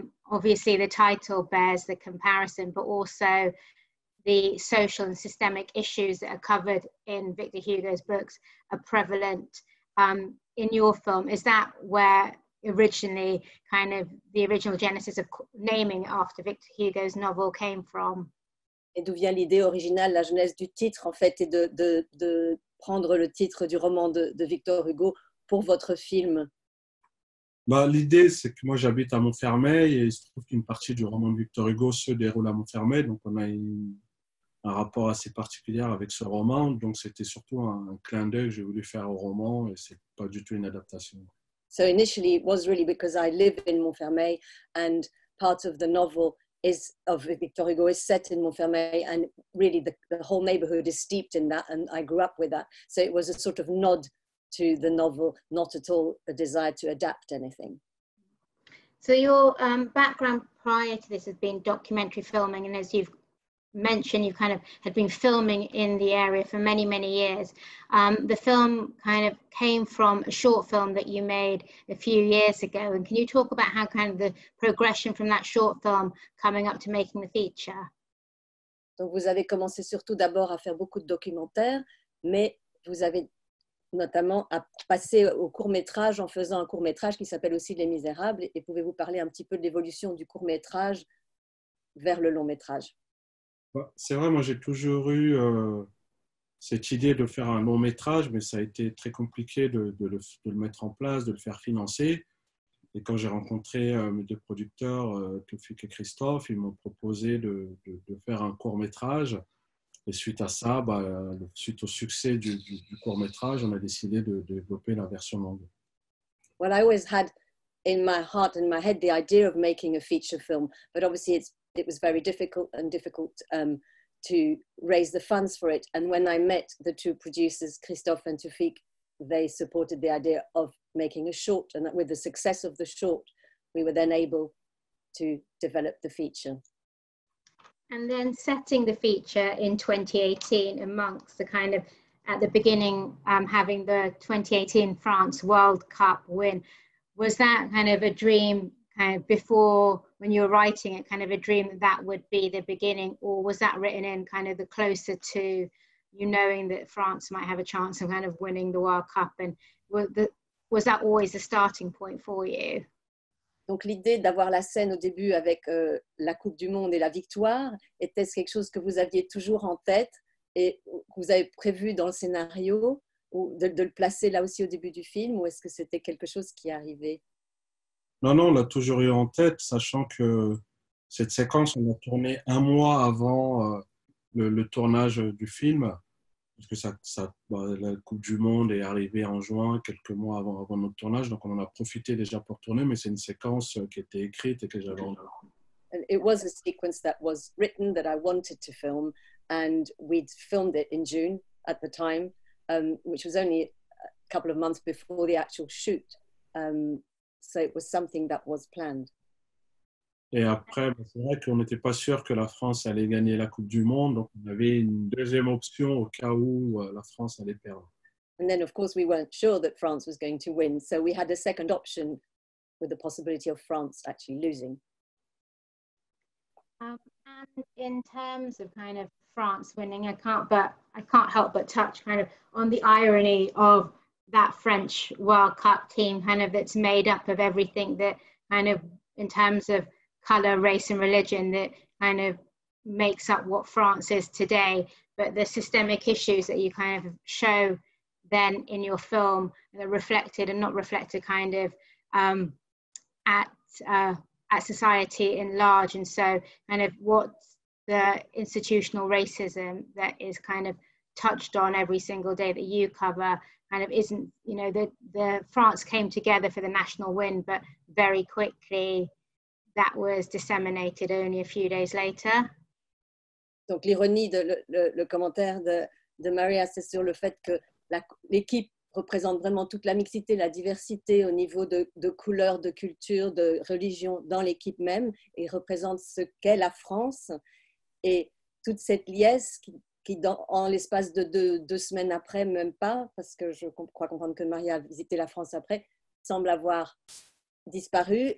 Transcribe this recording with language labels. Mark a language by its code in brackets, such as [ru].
[en] Obviously, the title bears the comparison, but also the social and systemic issues that are covered in Victor Hugo's books are prevalent in your film. Is that where originally kind of the original genesis of naming after Victor Hugo's novel came from? [fr] Et d'où vient l'idée originale, la genèse du titre en fait, et de prendre le titre du roman de Victor Hugo pour votre film? L'idée, c'est que moi j'habite à Montfermeil et il se trouve qu'une partie du roman de Victor Hugo se déroule à Montfermeil, donc on a un rapport assez particulier avec ce roman, donc c'était surtout un clin d'œil que j'ai voulu faire au roman et c'est pas du tout une adaptation. [en] So initially it was really because I live in Montfermeil and part of the novel of Victor Hugo is set in Montfermeil, and really the whole neighborhood is steeped in that and I grew up with that. So it was a sort of nod to the novel, not at all a desire to adapt anything. So your background prior to this has been documentary filming, and as you've mentioned, you kind of had been filming in the area for many, many years. The film kind of came from a short film that you made a few years ago. And can you talk about how kind of the progression from that short film coming up to making the feature? [fr] Donc vous avez commencé surtout d'abord à faire beaucoup de documentaires, mais vous avez notamment à passer au court-métrage en faisant un court-métrage qui s'appelle aussi Les Misérables. Et pouvez-vous parler un petit peu de l'évolution du court-métrage vers le long-métrage? C'est vrai, moi j'ai toujours eu cette idée de faire un long métrage, mais ça a été très compliqué de le mettre en place, de le faire financer. Et quand j'ai rencontré mes deux producteurs, Toufik et Christophe, ils m'ont proposé de faire un court métrage. Et suite à ça, suite au succès du court métrage, on a décidé de développer la version longue. [en] Well, I always had in my heart and my head the idea of making a feature film, but obviously it was very difficult to raise the funds for it. And when I met the two producers, Christophe and Toufik, they supported the idea of making a short. And with the success of the short, we were then able to develop the feature. And then setting the feature in 2018 amongst the kind of, at the beginning, having the 2018 France World Cup win, was that kind of a dream kind of before, when you were writing it, kind of a dream that that would be the beginning, or was that written in kind of the closer to you knowing that France might have a chance of kind of winning the World Cup? And was that always a starting point for you? [fr] Donc l'idée d'avoir la scène au début avec la Coupe du Monde et la victoire, était-ce quelque chose que vous aviez toujours en tête et que vous avez prévu dans le scénario, ou de le placer là aussi au début du film, ou est-ce que c'était quelque chose qui arrivait? Non, on l'a toujours eu en tête, sachant que cette séquence, on l'a tournée un mois avant le tournage du film, parce que la Coupe du Monde est arrivée en juin, quelques mois avant notre tournage, donc on en a profité déjà pour tourner, mais c'est une séquence qui était écrite et que j'avais en tête. [en] It was a sequence that was written that I wanted to film, and we'd filmed it in June at the time, which was only a couple of months before the actual shoot. So it was something that was planned. [fr] Et après, c'est vrai qu'on n'était pas sûr que la France allait gagner la Coupe du Monde, donc on avait une deuxième option au cas où la France allait perdre. [en] And then, of course, we weren't sure that France was going to win, so we had a second option with the possibility of France actually losing. And in terms of kind of France winning, I can't help but touch kind of on the irony of that French World Cup team, kind of that's made up of everything that kind of in terms of color, race, and religion that kind of makes up what France is today. But the systemic issues that you kind of show then in your film that are reflected and not reflected kind of at society in large. And so kind of what the institutional racism that is kind of touched on every single day that you cover kind of isn't, you know, the France came together for the national win, but very quickly that was disseminated only a few days later. [fr] Donc l'ironie de le commentaire de Maria, c'est sur le fait que l'équipe représente vraiment toute la mixité, la diversité au niveau de couleur, de culture, de religion dans l'équipe même, et représente ce qu'est la France. Et toute cette liesse qui en l'espace de deux semaines après, même pas, parce que je crois comprendre que Maria a visité la France après, semble avoir disparu.